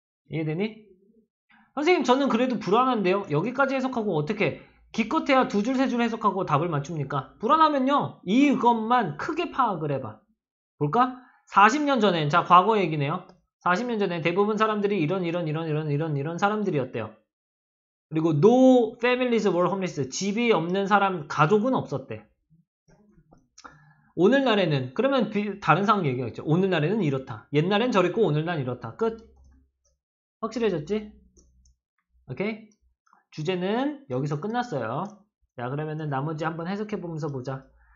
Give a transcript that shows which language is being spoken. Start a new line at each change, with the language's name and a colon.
Korean: 이해되니? 선생님, 저는 그래도 불안한데요. 여기까지 해석하고 어떻게 기껏해야 두 줄, 세줄 해석하고 답을 맞춥니까? 불안하면요, 이것만 크게 파악을 해봐. 볼까? 40년 전엔, 자, 과거 얘기네요. 40년 전엔 대부분 사람들이 이런 사람들이었대요. 그리고
English: no families were homeless.
Korean: 집이 없는 사람, 가족은 없었대. 오늘날에는, 그러면 다른 상황 얘기하겠죠. 오늘날에는 이렇다. 옛날엔 저랬고, 오늘날 이렇다. 끝. 확실해졌지? 오케이? 주제는 여기서 끝났어요. 자, 그러면은 나머지 한번 해석해 보면서 보자.